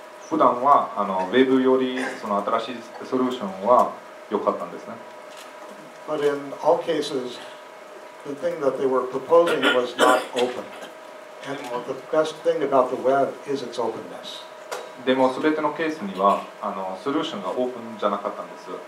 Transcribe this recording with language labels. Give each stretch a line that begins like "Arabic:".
Japanese: 普段はWeb よりその新しいソリューションは良かったんですね。
English: But in all cases, the thing that they were proposing was not open. And the best thing about the web is its openness.
Japanese: でも全てのケースにはソリューションがオープンじゃなかったんです。